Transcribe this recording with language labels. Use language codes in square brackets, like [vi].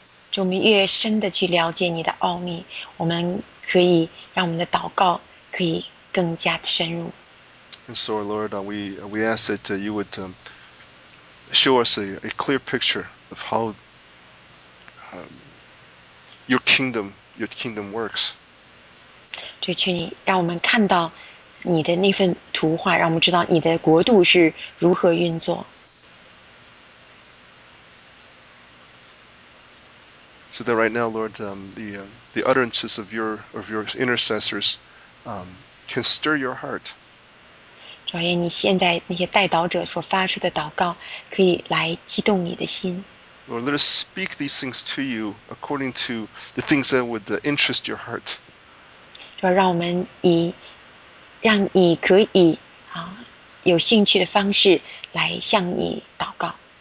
[zh] 就我们越深的去了解你的奥秘，我们可以让我们的祷告可以更加深入。 [en] And so, Lord, we ask that you would show us a clear picture of how your kingdom works. [zh] 就求你让我们看到你的那份图画，让我们知道你的国度是如何运作。 [en] So that right now, Lord, the utterances of your intercessors can stir your heart. [zh] 主耶，你现在那些代祷者所发出的祷告，可以来激动你的心。 [en] Lord, let us speak these things to you according to the things that would interest your heart. [zh] 主，让我们让你可以有兴趣的方式来向你祷告。